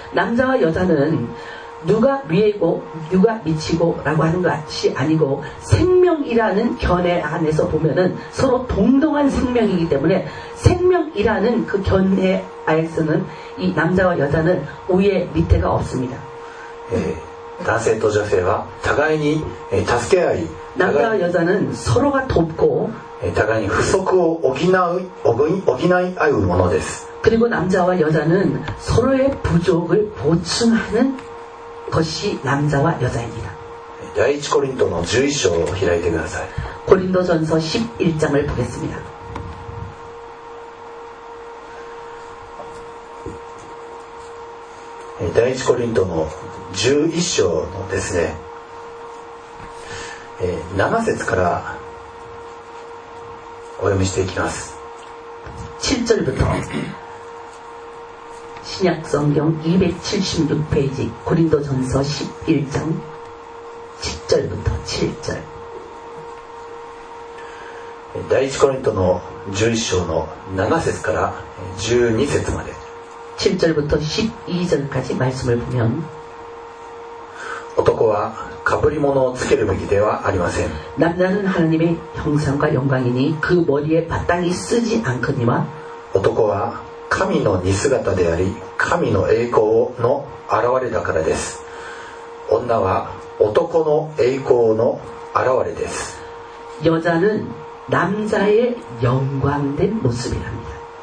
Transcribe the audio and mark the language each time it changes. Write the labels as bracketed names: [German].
[Korean] 남자와여자는누가위에고누가밑이고라고하는것이아니고생명이라는견해안에서보면은서로동등한생명이기때문에생명이라는그견해안에서는이남자와여자는위에밑에가없습니다 [Japanese] 男性と女性は互いに助け合い [Korean] 남자와여자는서로가돕고 [Japanese] 互いに不足を補い合うものです。 [Korean] 그리고남자와여자는서로의부족을보충하는것이남자와여자입니다 [Japanese] 第一コリントの11章を開いてください。 [Korean] コリント전서11장을보겠습니다。 [Japanese] 第一コリントの11章のですね、7節からお読みしていきます。 [Korean] 7절부터신약성경276페이지고린도전서11장10절부터7절 [Japanese] 第1コリントの11章の7節から12節まで [Korean] 7절부터12절까지말씀을보면 [Japanese] 男はかぶり物をつけるべきではありません。 [Korean] 남자는하나님의형상과영광이니그머리에바탕이쓰지않거니와 [Japanese] 男は神の似姿であり神の栄光の現れだからです。女は男の栄光の現れです。 [Korean] 여자는남자의영광된모습이랍니다。